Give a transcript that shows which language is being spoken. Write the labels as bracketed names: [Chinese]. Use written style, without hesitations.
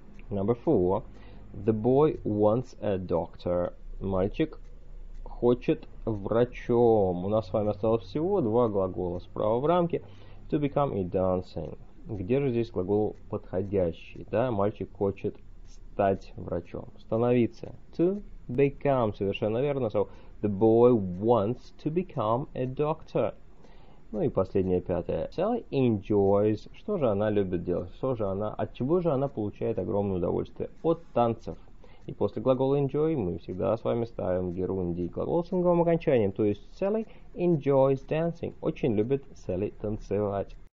[English] Number four. The boy wants a doctor. [Russian] Мальчик хочет врачом. У нас с вами осталось всего два глагола справа в рамке. [English] To become и dancing. [Russian] Где же здесь глагол подходящий? Да, мальчик хочет стать врачом. Становиться. To become. Совершенно верно. [English] So, the boy wants to become a doctor. [Russian] Ну и последнее, пятое. Sally enjoys. Что же она любит делать? Что же она, от чего же она получает огромное удовольствие? От танцев. И после глагола enjoy мы всегда с вами ставим герундий глагол с инговым окончанием. То есть [English] Sally enjoys dancing. [Russian] Очень любит Sally танцевать.